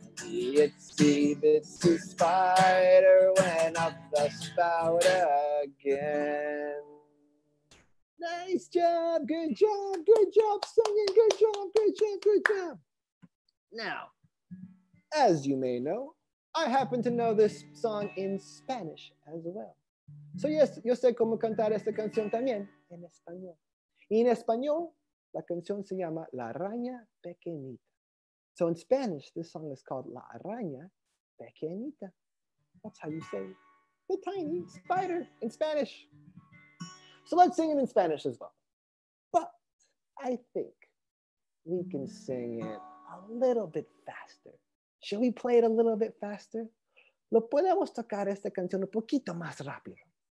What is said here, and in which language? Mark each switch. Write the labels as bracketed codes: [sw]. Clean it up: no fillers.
[en] Itsy bitsy spider went up the spout again. Nice job, good job, good job, singing, good job, good job, good job. Now, as you may know, I happen to know this song in Spanish as well. So yes, [es] yo sé cómo cantar esta canción también en español. Y en español, la canción se llama La Araña Pequeñita. [en] So in Spanish, this song is called La Araña Pequeñita. That's how you say the tiny spider in Spanish. So let's sing it in Spanish as well. But I think we can sing it a little bit faster. Shall we play it a little bit faster? [es] ¿Lo podemos tocar esta canción un poquito más rápido?